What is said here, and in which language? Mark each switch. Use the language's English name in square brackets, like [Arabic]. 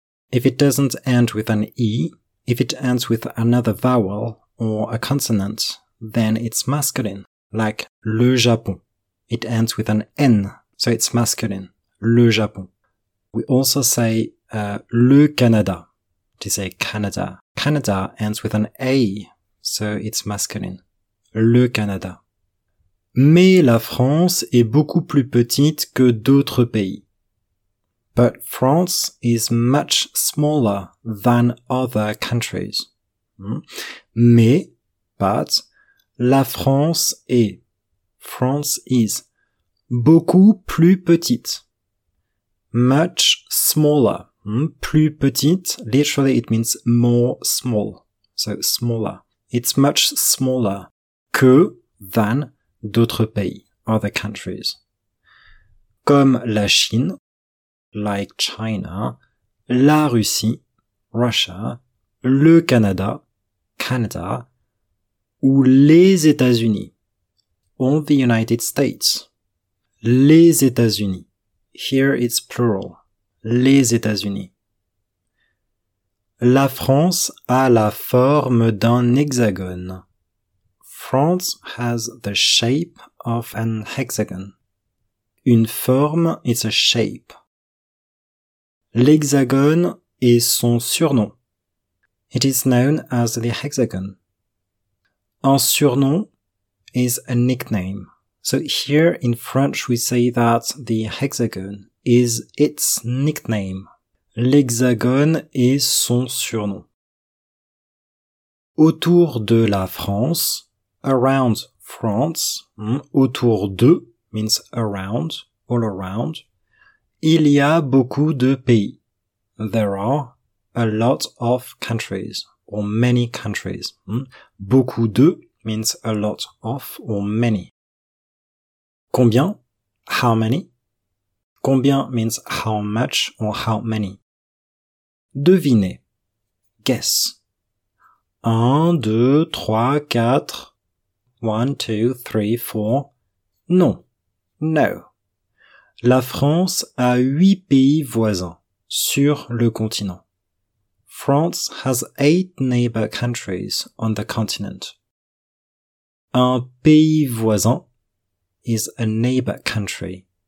[English] If it doesn't end with an E, if it ends with another vowel or a consonant, then it's masculine, like [French] le Japon. [English] It ends with an N, so it's masculine, [French] le Japon. [English] We also say [French] le Canada, [English] to say Canada. Canada ends with an A, so it's masculine. [French] Le Canada. Mais la France est beaucoup plus petite que d'autres pays. [English] But France is much smaller than other countries. [French] Mais, but, la France est, [English] France is, [French] beaucoup plus petite. [English] Much smaller. [French] Plus petite, [English] literally it means more small. So smaller. It's much smaller que, than, [French] d'autres pays, [English] other countries. [French] Comme la Chine, [English] like China, [French] la Russie, Russia, le Canada, [English] Canada, [French] ou les États-Unis, [English] or the United States. [French] Les États-Unis. [English] Here it's plural. Les États-Unis. [French] La France a la forme d'un hexagone. [English] France has the shape of an hexagon. [French] Une forme, [English] it's a shape. [French] L'hexagone est son surnom. [English] It is known as the hexagon. [French] Un surnom [English] is a nickname. So here in French we say that the hexagon is its nickname. [French] L'hexagone est son surnom. Autour de la France, [English] around France, [French] autour de [English] means around, all around, [French] il y a beaucoup de pays. [English] There are a lot of countries, or many countries. Beaucoup de means a lot of, or many. [French] Combien? [English] How many? Combien means how much or how many. [French] Devinez. [English] Guess. 1, 2, 3, 4. [French] 1, 2, 3, 4. Non. No. La France a 8 pays voisins sur le continent. [English] France has 8 neighbor countries on the continent. [French] Un pays voisin [English] is a neighbor country.